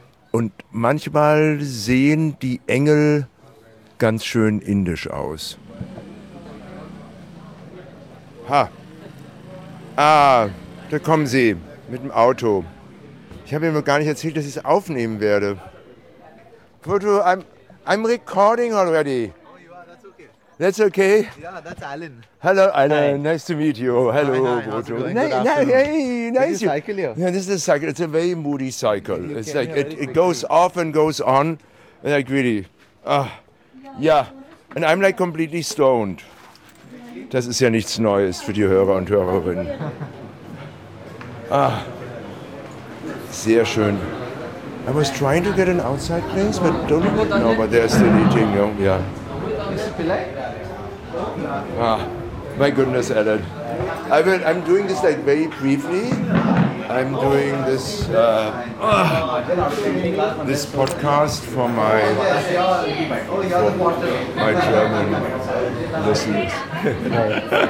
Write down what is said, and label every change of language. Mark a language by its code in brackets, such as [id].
[de] Und manchmal sehen die Engel ganz schön indisch aus. Ha! Ah, da kommen sie mit dem Auto. Ich habe Ihnen gar nicht erzählt, dass ich es aufnehmen werde. [en] Foto, I'm recording already. That's okay. Yeah, that's Alan. Hello, Alan. Hi. Nice to meet you. Hello, Brutto. Hey, nice to meet you. Yeah, this is a cycle. It's a very moody cycle. You it's like it goes off and goes on, like really. And I'm like completely stoned. [de] Das ist ja nichts Neues für die Hörer und Hörerinnen. Ah, sehr schön. [en] I was trying to get an outside place, but don't know. But they're still eating. Yeah. Ah, my goodness, Alan. I'm doing this like very briefly. I'm doing this this podcast for my German listeners.